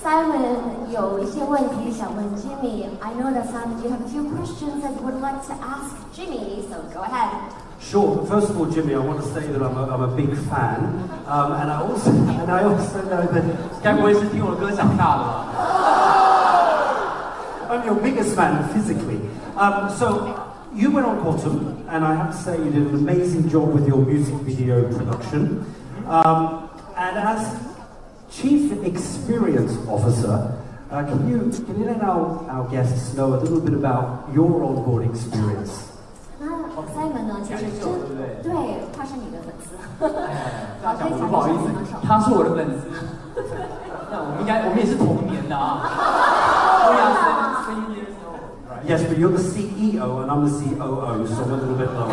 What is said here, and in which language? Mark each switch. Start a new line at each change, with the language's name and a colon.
English: Jimmy, I know that Simon, you have a few questions that you would like to ask Jimmy, so go ahead. Sure. First of all, Jimmy, I want to say that I'm a big fan. And I also know that...
Chinese: 该不会是听我的歌长大的吧
English: I'm your biggest fan physically. So you went on Quantum, and I have to say you did an amazing job with your music video production. And as chief experience officer,can you let our guests know a little bit about your onboard experience?
Chinese: Simon 呢，其实真对，他是你的粉丝。哎，讲的不好意思，他是我的粉丝。那我们也是同年的啊。对呀 ，
English: seven years old. Yes, but you're the CEO and I'm the COO, so we're a little bit lower.